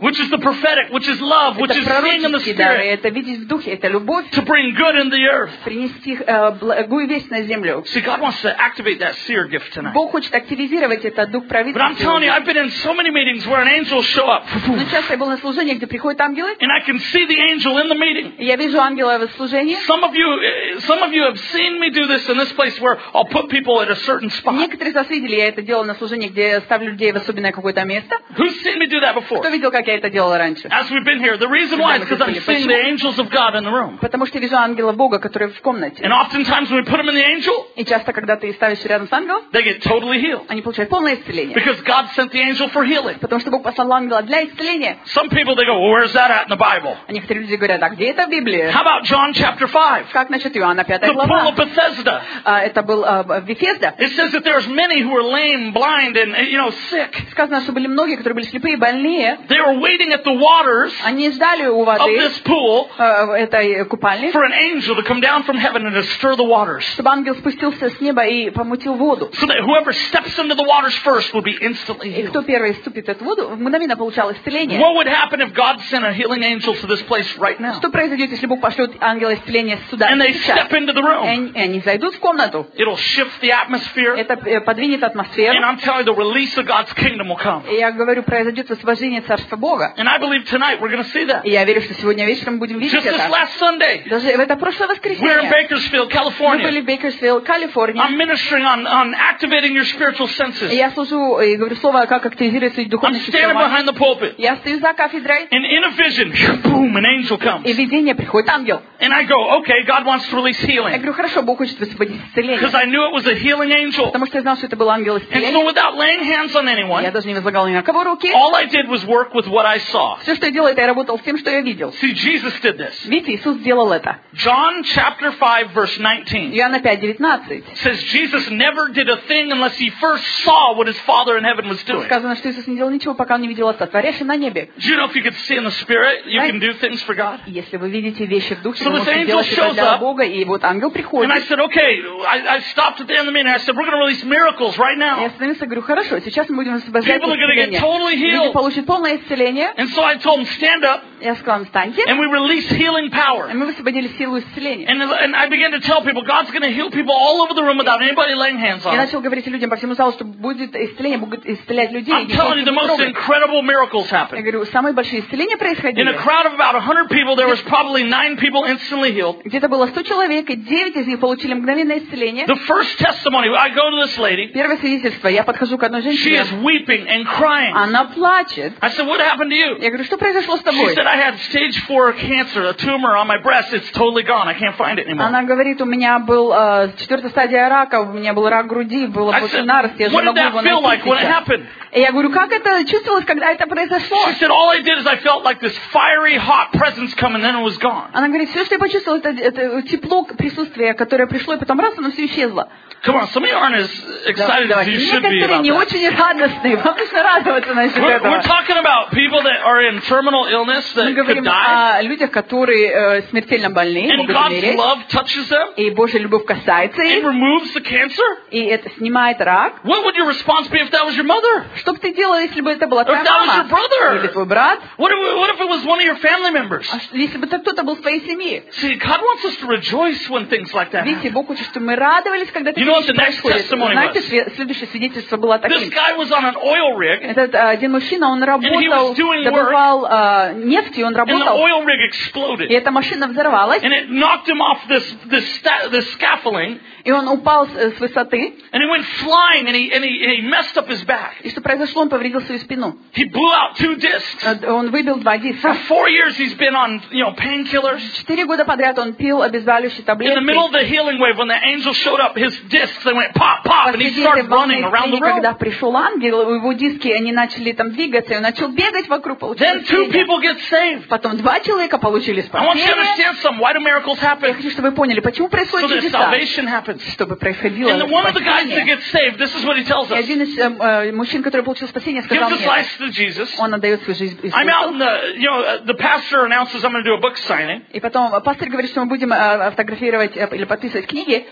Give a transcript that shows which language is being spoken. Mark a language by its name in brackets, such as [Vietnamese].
[English] Which is the prophetic, which is love, which is seeing in the spirit. [Russian] Это пророческий дар, это видеть в духе, это любовь. [English] To bring good in the earth. [Russian] Принести благую весть на землю. [English] See, God wants to activate that seer gift tonight. [Russian] Бог хочет активизировать этот дух провидца. [English] But I'm telling you, I've been in so many meetings where an angel show up. [Russian] Но часто я был на служениях, где приходят ангелы. [English] And I can see the angel in the meeting. [Russian] Я вижу ангела в служении. [English] Some of you have seen me do this in this place where I'll put people at a certain spot. [Russian] Некоторые из вас видели, я это делал на служении, где ставлю людей в особенное какое-то место. [English] Who's seen me do that before? [Russian] Кто видел, как я это делал раньше? [English] As we've been here, the reason why is because I'm seeing the angels of God in the room. [Russian] Потому что я вижу ангела Бога, который в комнате. [English] And oftentimes when we put them in the angel, [Russian] и часто когда ты ставишь рядом с ангелом, [English] they get totally healed. [Russian] Они получают полное исцеление. [English] Because God sent the angel for healing. [Russian] Потому что Бог послал ангела для исцеления. [English] Some people they go, well, where's that at in the Bible? [Russian] А некоторые люди говорят, а где? [English] How about John chapter 5? [Russian] Как насчет Иоанна 5 глава? [English] The pool of Bethesda. [Russian] Это был Bethesda. [English] It says that there's many who were lame, blind, and you know, sick. [Russian] Сказано, что были многие, которые были слепые и больные. [English] They were waiting at the waters. [Russian] Они ждали у воды. [English] Of this pool. [Russian] Этой купальни. [English] For an angel to come down from heaven and to stir the waters. [Russian] Чтобы ангел спустился с неба и помутил воду. [English] So that whoever steps into the waters first will be instantly healed. [Russian] И кто первый ступит в эту воду, мгновенно получал исцеление. [English] What would happen if God sent a healing angel to this place right now? [Russian] Произойдет, если Бог пошлет ангела исцеления сюда. [English] And they step into the room. [Russian] И они зайдут в комнату. [English] It'll shift the atmosphere. [Russian] Это подвинет атмосферу. [English] And I'm telling you, the release of God's kingdom will come. [Russian] И я говорю, произойдет освобождение царства Бога. [English] And I believe tonight we're going to see that. [Russian] И я верю, что сегодня вечером будем видеть [English] Just [Russian] это. [English] Just this last Sunday. [Russian] Даже в это прошлое воскресенье. [English] We're in Bakersfield, California. [Russian] Мы были в Бейкерсфилд, Калифорния. [English] I'm ministering on activating your spiritual senses. [Russian] Я служу и говорю слово, как активизировать свои духовные чувства. [English] I'm standing behind the pulpit. [Russian] Я стою за кафедрой. [English] And in a vision, boom, an angel comes. [Russian] Приходит ангел. [English] And I go, okay, God wants to release healing. [Russian] Я говорю, хорошо, Бог хочет высвободить исцеление. [English] Because I knew it was a healing angel. [Russian] Потому что я знал, что это был ангел исцеления. [English] And so without laying hands on anyone, [Russian] я даже не возлагал ни на кого руки. [English] All I did was work with what I saw. [Russian] Все, что я делал, это я работал с тем, что я видел. [English] See, Jesus did this. [Russian] Видите, Иисус сделал это. [English] John chapter 5 verse 19. [Russian] Иоанна 5:19. [English] Says Jesus never did a thing unless he first saw what his Father in heaven was doing. [Russian] Сказано, что Иисус не делал ничего, пока он не видел Отца, творящего на небе. [English] Do you know if you could see in the Spirit, you can do things for God? [Russian] Если вы видите вещи в духе, [English] so [Russian] вы можете делать это для Бога, и вот ангел приходит. [English] And I said, okay, I stopped at the end of the meeting. I said, we're going to release miracles right now. [Russian] Я остановился, говорю, хорошо, сейчас мы будем освобождать исцеление. [English] People are going to get totally healed. [Russian] Люди получат полное исцеление. [English] And so I told them, stand up. [Russian] Я сказал им, встаньте. [English] And we release healing power. [Russian] И мы высвободили силу исцеления. [English] And I began to tell people, God's going to heal people all over the room without anybody laying hands on. [Russian] Я начал говорить людям по всему залу, что будет исцеление, будут исцелять людей. [English] I'm telling you, the most incredible miracles happened. [Russian] Я говорю, самые большие исцеления происходили. [English] In a crowd of about 100 people, there was probably 9 people instantly healed. [Russian] Где-то было 100 человек, и 9 из них получили мгновенное исцеление. [English] The first testimony, I go to this lady. [Russian] Первое свидетельство, я подхожу к одной женщине. [English] She is weeping and crying. [Russian] Она плачет. [English] I said, what happened to you? [Russian] Я говорю, что произошло с тобой? [English] She said, I had stage 4 cancer, a tumor on my breast. It's totally gone. I can't find it anymore. [Russian] Она говорит, у меня был четвертая стадия рака, у меня был рак груди, было пустынарость, я же могу его найти. [English] What did that feel like? What happened? [Russian] И я говорю, как это чувствовалось, когда это произошло? [English] She said, all I did is I felt like this fiery, hot presence come, and then it was gone. [Russian] Она говорит, все, что я почувствовала, это тепло присутствие, которое пришло, и потом раз, оно все исчезло. [English] Come on, some of you aren't as excited as you should be about that. [Russian] Некоторые не очень радостные, вам нужно радоваться насчет этого. [English] We're talking about people that are in terminal illness that could die. [Russian] Мы говорим о людях, которые смертельно больны, могут умереть. [English] And God's love touches them. [Russian] И Божья любовь касается их. [English] It removes the cancer. [Russian] И это снимает рак. [English] What would your response be if that was your mother? [Russian] Что бы ты делал, если бы это была твоя мама? Или твой брат? [English] What if it was one of your family members? [Russian] Если бы это кто-то был в твоей семье? [English] See, God wants us to rejoice when things like that happen. [Russian] Видите, Бог хочет, чтобы мы радовались, когда такие вещи происходят. Знаете, следующее свидетельство было таким. [English] This guy was on an oil rig. [Russian] Этот один мужчина, он работал, добывал нефть, и он работал. [English] And the oil rig exploded. [Russian] И эта машина взорвалась. [English] And it knocked him off this scaffolding. [Russian] И он упал с высоты. [English] And he went flying, and he messed up his back. [Russian] И что произошло, он повредил свою спину. [English] He blew out two discs. [Russian] Он выбил два диска. [English] For 4 years he's been on, you know, painkillers. [Russian] 4 года подряд он пил обезболивающие таблетки. [English] In the middle of the healing wave, when the angel showed up, his discs, they went pop, pop, and he started running around the room. [Russian] Когда пришел ангел, его диски, они начали там двигаться, и он начал бегать вокруг. [English] Then two people get saved. [Russian] Потом два человека получили спасение. [English] I want you to understand some. Why do miracles happen? [Russian] Я хочу, чтобы вы поняли, почему происходят чудеса. [English] So that salvation happens. [Russian] Чтобы происходило спасение. [English] And one of the guys that gets saved, this is what he tells us. [Russian] Мужчина, который получил спасение, сказал мне, он отдает свою жизнь Иисусу. [English] I'm out in the, you know, the pastor announces I'm going to do a book signing. [Russian] И потом пастор говорит, что мы будем автографировать или подписывать книги.